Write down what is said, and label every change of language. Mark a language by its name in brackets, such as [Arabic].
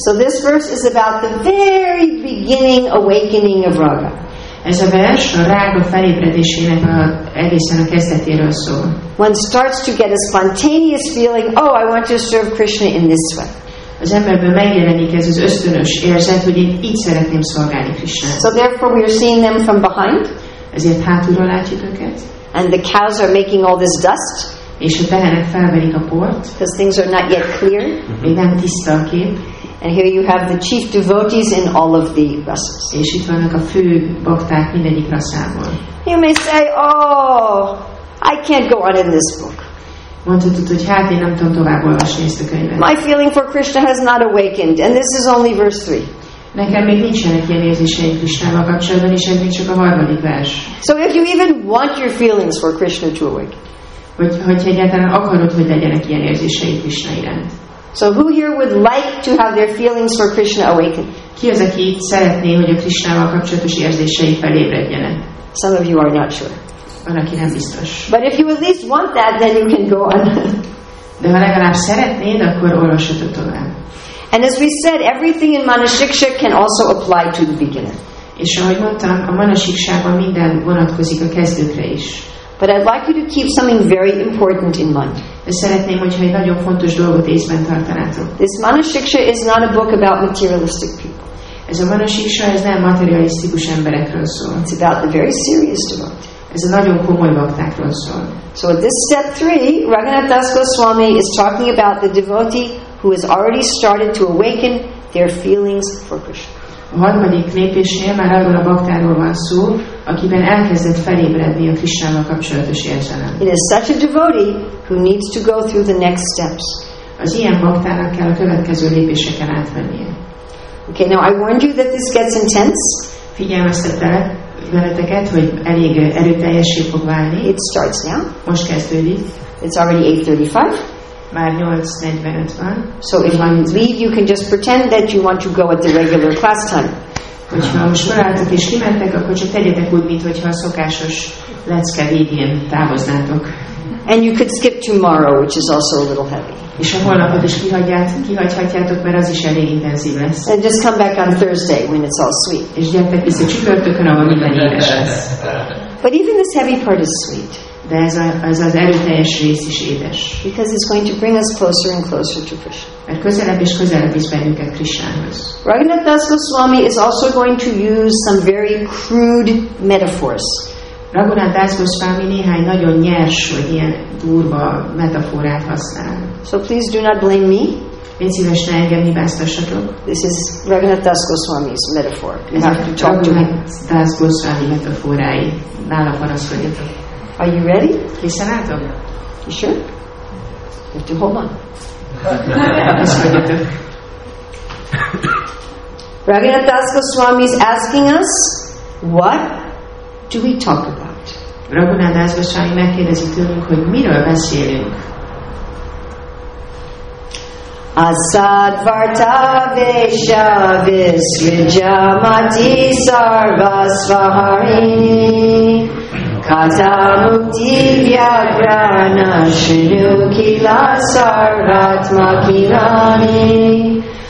[English] So this verse is about the very beginning awakening of raga. [Hungarian] Ez a vers a rága felébredésének egészen a kezdetéről szól. [English] One starts to get a spontaneous feeling, oh, I want to serve Krishna in this way. [Hungarian] Az emberben megjelenik ez az ösztönös érzet, hogy én így szeretném szolgálni Krishnát. [English] So therefore we are seeing them from behind. [Hungarian] Ezért hátulról látjuk őket. [English] And the cows are making all this dust. [Hungarian] És a tehenek felverik a port. [English] Because things are not yet clear. [Hungarian] Még nem tiszta a kép. [English] And here you have the chief devotees in all of the rasas. [Hungarian] És itt vannak a fő bakták mindegyik rasából. [English] You may say, oh, I can't go on in this book. [Hungarian] Mondhatod, hogy hát én nem tudom tovább olvasni ezt a könyvet. [English] My feeling for Krishna has not awakened, and this is only verse 3. [Hungarian] Nekem még nincsenek ilyen érzéseim Krisnával kapcsolatban, és ez még csak a harmadik vers. [English] So if you even want your feelings for Krishna to awaken. [Hungarian] Hogy egyáltalán akarod, hogy legyenek ilyen érzései Krishna iránt. [English] So who here would like to have their feelings for Krishna awakened? [Hungarian] Ki az, aki itt szeretné, hogy a Krishnával kapcsolatos érzései felébredjenek? [English] Some of you are not sure. [Hungarian] Van, aki nem biztos. [English] But if you at least want that, then you can go on. [Hungarian] De ha legalább szeretnéd, akkor olvashatod tovább. [English] And as we said, everything in Manasiksha can also apply to the beginner. [Hungarian] És ahogy mondtam, a Manasiksában minden vonatkozik a kezdőkre is. [English] But I'd like you to keep something very important in mind. [Hungarian] De szeretném, hogyha egy nagyon fontos dolgot észben tartanátok. [English] This Manasiksha is not a book about materialistic people. [Hungarian] Ez a Manasiksha, ez nem materialisztikus emberekről szól. [English] It's about the very serious devotee. [Hungarian] Ez a nagyon komoly baktákról szól. [English] So at this step 3, Raghunath Das Goswami is talking about the devotee who has already started to awaken their feelings for Krishna. [Hungarian] A harmadik lépésnél már arról a baktáról van szó, akiben elkezdett felébredni a Krisnával kapcsolatos érzelem. [English] It is such a devotee who needs to go through the next steps. [Hungarian] Az ilyen baktának kell a következő lépéseken átmennie. [English] Okay, now I warned you that this gets intense. [Hungarian] Figyelmeztetek benneteket, hogy elég erőteljessé fog válni. [English] It starts now. [Hungarian] Most kezdődik. [English] It's already 8:35. [Hungarian] Már 8:45 van. [English] So if you leave, you can just pretend that you want to go at the regular class time. [Hungarian] Hogyha most felálltok és kimentek, akkor csak tegyetek úgy, mintha a szokásos lecke végén távoznátok. [English] And you could skip tomorrow, which is also a little heavy. [Hungarian] És a holnapot is kihagyhatjátok, mert az is elég intenzív lesz. [English] And just come back on Thursday, when it's all sweet. [Hungarian] És gyertek vissza csütörtökön, ahol minden éves lesz. [English] But even this heavy part is sweet. [Hungarian] De ez az erőteljes rész is édes. [English] Because it's going to bring us closer and closer to Krishna. [Hungarian] Mert közelebb és közelebb visz bennünket Krishnához. [English] Raghunath Das Goswami is also going to use some very crude metaphors. [Hungarian] Raghunath Das Goswami néhány nagyon nyers, vagy ilyen durva metaforát használ. [English] So please do not blame me. [Hungarian] Én szíves, ne engem hibáztassatok. [English] This is Raghunath Das Goswami's metaphor. You have to talk to him. [Hungarian] Raghunath Das Goswami metaforái. Nála panaszkodjatok. [English] Are you ready? [Hungarian] Készen álltok? [English] You sure? You have to hold on. Raghunath Das Goswami is asking us, what do we talk about? [Hungarian] Raghunath Das Goswami megkérdezi tőlünk, hogy miről beszélünk. [Sanskrit] Asadvarta Vesha Visvijamati Sarvasvaharini Katamukti Vyagrana Shinukila Sarvatmakirani